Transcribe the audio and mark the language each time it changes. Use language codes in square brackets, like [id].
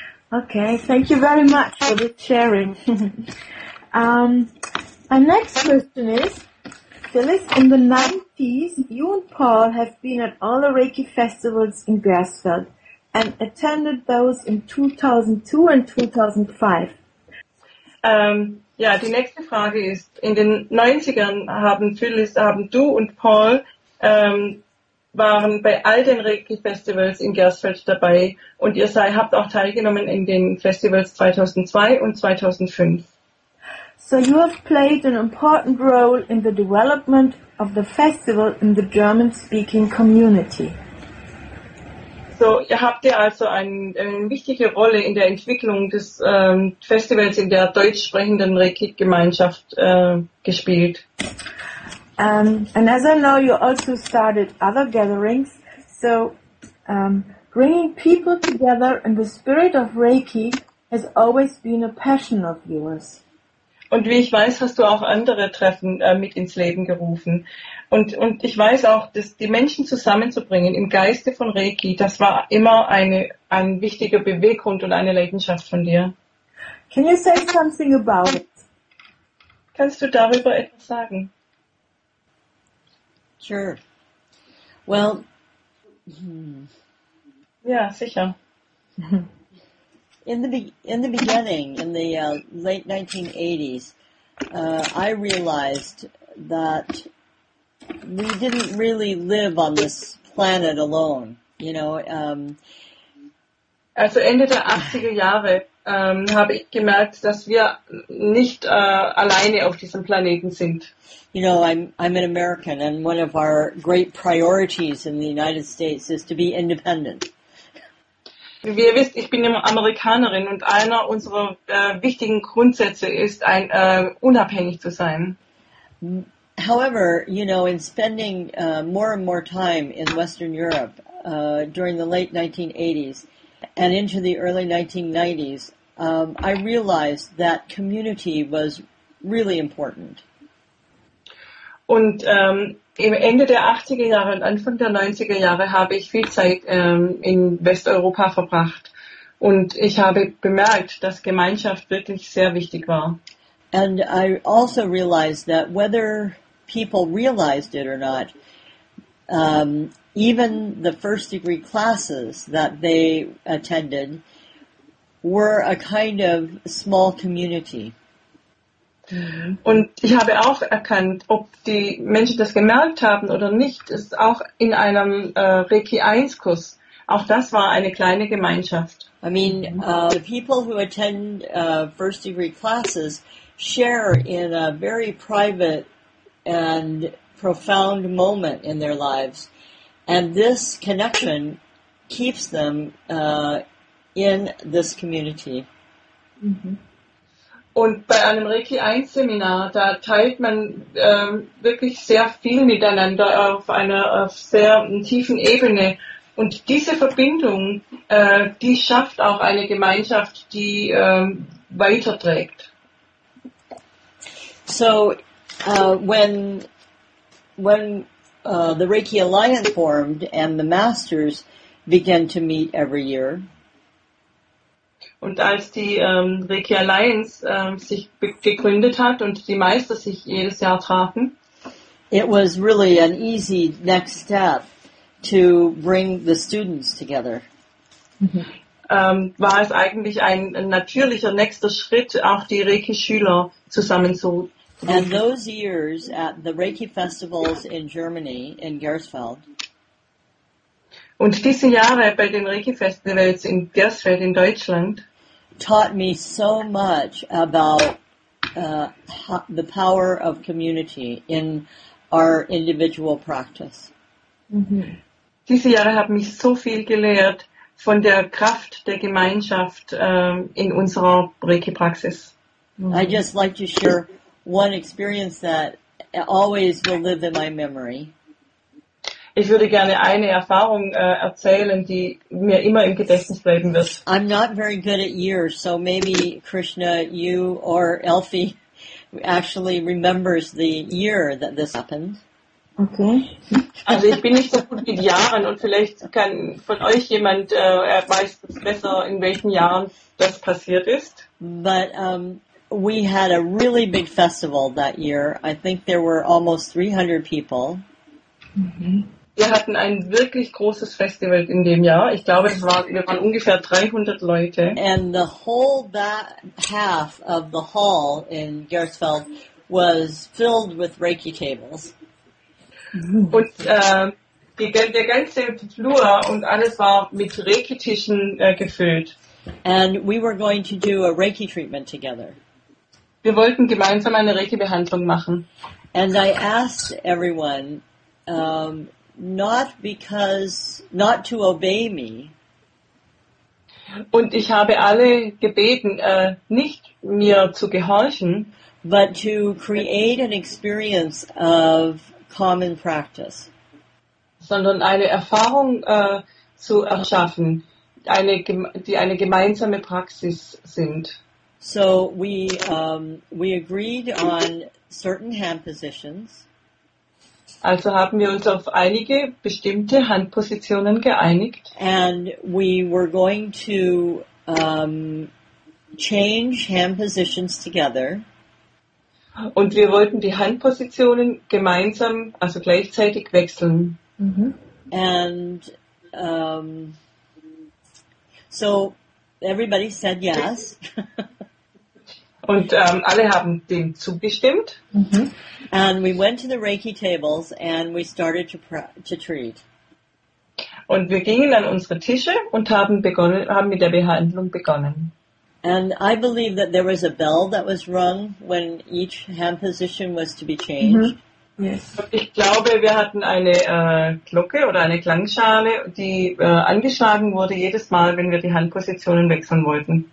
[en] Okay, thank you very much for the sharing. My next question is, Phyllis, in the 90s, you and Paul have been at all the Reiki festivals in Grassfeld and attended those in 2002 and 2005. [de] Ja, die nächste Frage ist, in den 90ern haben du und Paul waren bei all den Reiki-Festivals in Grassfeld dabei und ihr habt auch teilgenommen in den Festivals 2002 und 2005. [en] So you have played an important role in the development of the festival in the German-speaking community. [de] So ihr habt ja also eine wichtige Rolle in der Entwicklung des Festivals in der deutschsprechenden Reiki-Gemeinschaft gespielt. [en] And as I know, you also started other gatherings, so bringing people together in the spirit of Reiki has always been a passion of yours. [de] Und wie ich weiß, hast du auch andere Treffen mit ins Leben gerufen. Und ich weiß auch, dass die Menschen zusammenzubringen im Geiste von Reiki, das war immer ein wichtiger Beweggrund und eine Leidenschaft von dir. [en] Can you say something about it? [de] Kannst du darüber etwas sagen? [en] Sure. Well, [de] Ja, sicher. [en] In the beginning, in the late 1980s, I realized that we didn't really live on this planet alone. You know. [de] Also Ende der 80er Jahre habe ich gemerkt, dass wir nicht alleine auf diesem Planeten sind. [en] You know, I'm an American, and one of our great priorities in the United States is to be independent. [de] Wie ihr wisst, ich bin eine Amerikanerin und einer unserer wichtigen Grundsätze ist, unabhängig zu sein. [en] However, you know, in spending more and more time in Western Europe during the late 1980s and into the early 1990s, I realized that community was really important. [de] Und im Ende der 80er Jahre und Anfang der 90er Jahre habe ich viel Zeit in Westeuropa verbracht. Und ich habe bemerkt, dass Gemeinschaft wirklich sehr wichtig war. [en] And I also realized that whether people realized it or not, even the first degree classes that they attended were a kind of small community. [de] Und ich habe auch erkannt, ob die Menschen das gemerkt haben oder nicht, ist auch in einem Reiki 1 Kurs. Auch das war eine kleine Gemeinschaft. [en] I mean, the people who attend first degree classes share in a very private and profound moment in their lives. And this connection keeps them in this community. Mm-hmm. [de] Und bei einem Reiki 1 Seminar, da teilt man wirklich sehr viel miteinander auf einer sehr tiefen Ebene. Und diese Verbindung, die schafft auch eine Gemeinschaft, die weiterträgt. [en] So, when the Reiki Alliance formed and the Masters began to meet every year, [de] und als die Reiki Alliance sich gegründet hat und die Meister sich jedes Jahr trafen, [en] it was really an easy next step to bring the students together. [de] War es eigentlich ein natürlicher nächster Schritt, auch die Reiki-Schüler zusammenzubringen. [en] And those years at the Reiki festivals in Germany, in Gersfeld, [de] und diese Jahre bei den Reiki-Festivals in Gersfeld in Deutschland [en] taught me so much about the power of community in our individual practice. Mm-hmm. [de] Diese Jahre haben mich so viel gelehrt von der Kraft der Gemeinschaft in unserer Reiki-Praxis. [en] Mm-hmm. I just like to share one experience that always will live in my memory. [de] Ich würde gerne eine Erfahrung erzählen, die mir immer im Gedächtnis bleiben wird. [en] I'm not very good at years, so maybe Krishna, you or Elfie actually remembers the year that this happened. Okay. [de] Also ich bin nicht so gut mit Jahren und vielleicht kann von euch jemand weiß besser, in welchen Jahren das passiert ist. [en] But we had a really big festival that year. I think there were almost 300 people. Mm-hmm. [de] Wir hatten ein wirklich großes Festival in dem Jahr. Ich glaube, wir waren ungefähr 300 Leute. [en] And the whole back half of the hall in Gersfeld was filled with Reiki tables. [de] Und der ganze Flur und alles war mit Reiki-Tischen gefüllt. [en] And we were going to do a Reiki treatment together. [de] Wir wollten gemeinsam eine Reiki-Behandlung machen. [en] And I asked everyone, not to obey me. [de] Und ich habe alle gebeten, nicht mir zu gehorchen, [en] but to create an experience of common practice. [de] Sondern eine Erfahrung zu erschaffen, die eine gemeinsame Praxis sind. [en] So we agreed on certain hand positions. [de] Also haben wir uns auf einige bestimmte Handpositionen geeinigt. [en] And we were going to change hand positions together. [de] Und wir wollten die Handpositionen gemeinsam, also gleichzeitig wechseln. [en] Mm-hmm. And so everybody said yes. [de] Und alle haben dem zugestimmt. Mm-hmm. [en] And we went to the Reiki tables and we started to treat. [de] Und wir gingen an unsere Tische und haben mit der Behandlung begonnen. [en] And I believe that there was a bell that was rung when each hand position was to be changed. Mm-hmm. Yes. [de] Ich glaube, wir hatten eine Glocke oder eine Klangschale, die angeschlagen wurde jedes Mal, wenn wir die Handpositionen wechseln wollten.